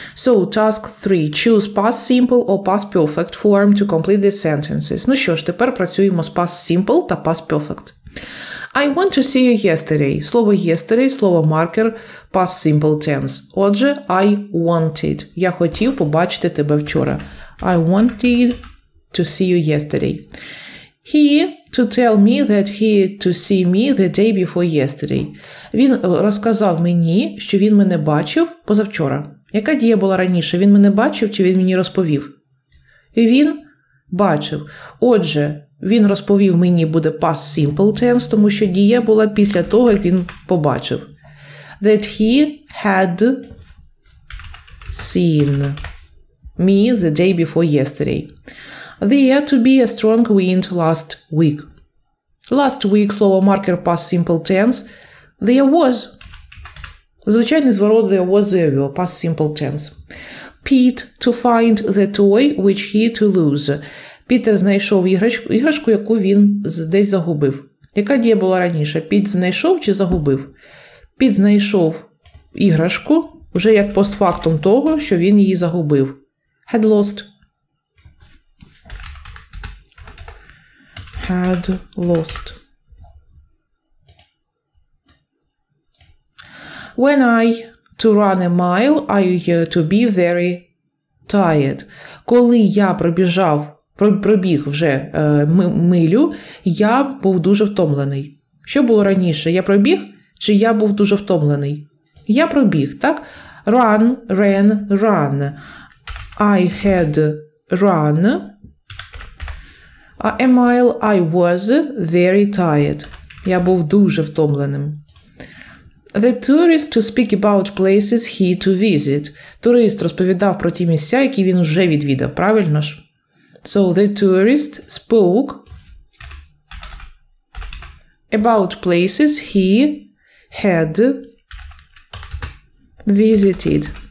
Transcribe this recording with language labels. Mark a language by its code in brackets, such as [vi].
[en] So, task 3. Choose past simple or past perfect form to complete the sentences. [uk] Ну що ж, тепер працюємо з past simple та past perfect. [en] I want to see you yesterday. Слово yesterday, слово marker, past simple tense. Отже, I wanted. [uk] Я хотів побачити тебе вчора. [en] I wanted to see you yesterday. He to tell me that he to see me the day before yesterday. [uk] Він розказав мені, що він мене бачив позавчора. Яка дія була раніше? Він мене бачив чи він мені розповів? Він бачив. Отже, він розповів мені буде past simple tense, тому що дія була після того, як він побачив. [en] That he had seen me the day before yesterday. There had to be a strong wind last week. Last week, слово marker past simple tense. There was. Звичайний зворот there was, there were, past simple tense. Pete to find the toy which he to lose. [uk] Пітер знайшов іграшку, яку він десь загубив. Яка дія була раніше? Піт знайшов чи загубив? Піт знайшов іграшку вже як постфактум того, що він її загубив. [en] Had lost. Had lost. When I to run a mile, I to be very tired. [uk] Коли я пробіг вже милю, я був дуже втомлений. Що було раніше? Я пробіг чи я був дуже втомлений? Я пробіг, так? Run, ran, run. [en] I had run a mile. I was very tired. [uk] Я був дуже втомленим. [en] The tourist to speak about places he to visit. [uk] Турист розповідав про ті місця, які він вже відвідав, правильно ж? [en] So the tourist spoke about places he had visited.